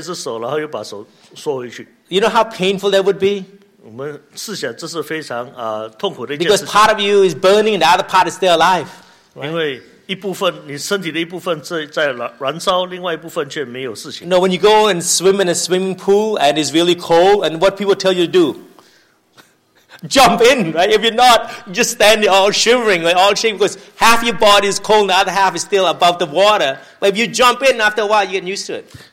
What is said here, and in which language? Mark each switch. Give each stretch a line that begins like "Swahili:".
Chinese: 我们会说我们奉献我们自己，就奉献一只手，然后又把手缩回去。
English: You know how painful that would be?
Chinese: 我们试想这是非常痛苦的一件事。
English: Because part of you is burning, and the other part is still alive. Right?
Chinese: 因为 一部分你身体的一部分在燃烧，另外一部分却没有事情。
English: No, when you go and swim in a swimming pool and it's really cold, and what people tell you to do? Jump in, right? If you're not, you just stand there all shivering, like all shame, because half your body is cold, and the other half is still above the water. But if you jump in, after a while, you get used to it.